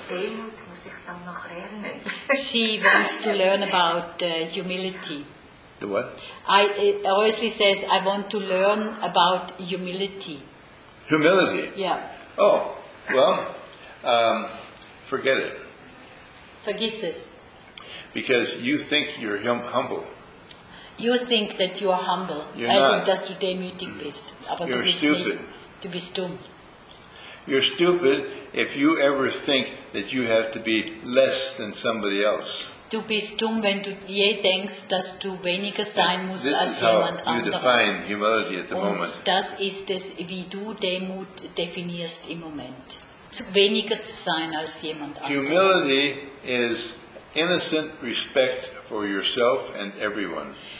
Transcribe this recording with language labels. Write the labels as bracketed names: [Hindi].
[German] Demut muss ich dann noch lernen. [English] She wants to learn about humility. The what? Wesley says, I want to learn about humility. Humility? Yeah. Oh, well, forget it. [German] Vergiss es. [English] Because you think you're humble. You think that you are humble. You're not. [German] Dass du demütig bist. Aber [English] you're [German] du bist [English] stupid. [German] Du bist dumm. [English] You're stupid if you ever think that you have to be less than somebody else. [German] Du bist dumm, wenn du je denkst, dass du weniger sein musst als jemand anderer. [English] This is how you define humility at the moment. [German] Und das ist es, wie du Demut definierst im Moment. Weniger zu sein als jemand anderer. [English] Humility is innocent respect for yourself and everyone.